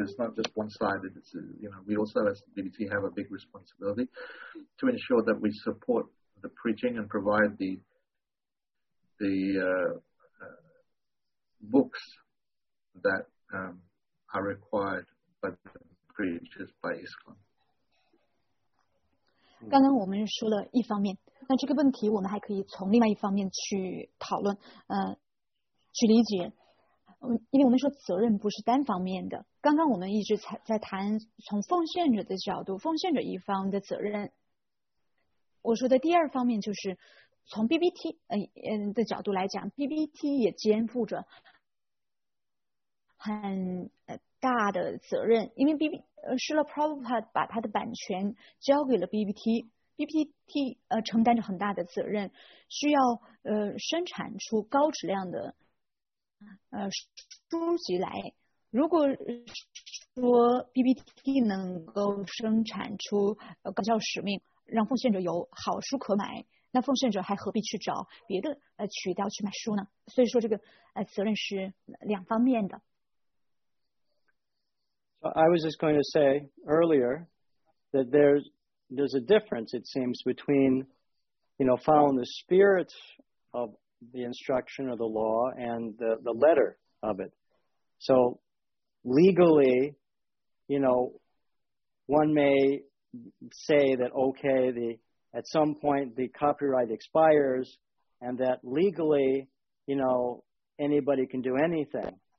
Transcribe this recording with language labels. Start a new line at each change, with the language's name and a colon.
English: It's not just one-sided. It's, we also as the BBT have a big responsibility to ensure that we support the preaching and provide the books that are required by the preachers, by ISKCON.
Chinese: 刚刚我们说了一方面，那这个问题我们还可以从另外一方面去讨论，去理解。因为我们说责任不是单方面的，刚刚我们一直在谈从奉献者的角度，奉献者一方的责任。我说的第二方面就是从 BBT 的角度来讲， BBT 也肩负着很大的责任，因为 Srila Prabhupada 把他的版权交给了 BBT 承担着很大的责任，需要生产出高质量的书籍来。如果说 BBT 能够生产出高教使命，让奉献者有好书可买，那奉献者还何必去找别的渠道去买书呢？所以说这个责任是两方面的。
English: So I was just going to say earlier that there's a difference, it seems, between, you know, following the spirit of the instruction of the law and the letter of it. So legally, you know, one may say that, okay, at some point the copyright expires and that legally, you know, anybody can do anything.